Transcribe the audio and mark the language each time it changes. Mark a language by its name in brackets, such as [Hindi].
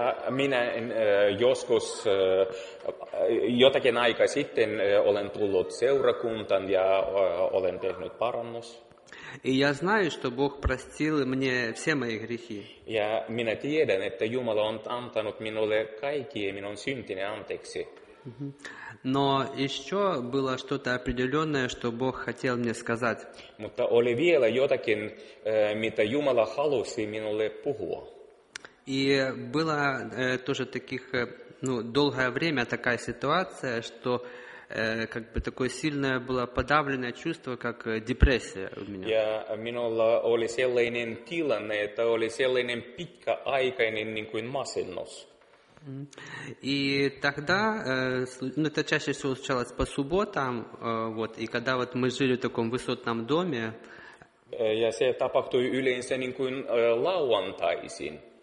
[Finnish] Minä joskus jotakin aikaa sitten olen tullut seurakuntaan ja olen tehnyt parannus. [Russian] И я знаю, что Бог простил мне все мои грехи. [Finnish] Ja minä tiedän, että Jumala on antanut minulle kaikki minun syntini anteeksi. [Russian] Но еще было что-то определенное, что Бог хотел мне сказать. [Finnish] Mutta oli vielä jotakin, mitä Jumala halusi minulle puhua. [Russian] И было тоже таких, ну, долгое время такая ситуация, что как бы такое сильное было подавленное чувство, как депрессия у меня. [Finnish] Ja minulla oli sellainen tilanne, että oli sellainen pitkäaikainen niin kuin masennus. [Russian] И тогда, ну, это чаще всего случалось по субботам, вот, и когда вот мы жили в таком высотном доме. [Finnish] Ja se tapahtui yleensä niin kuin lauantaisin.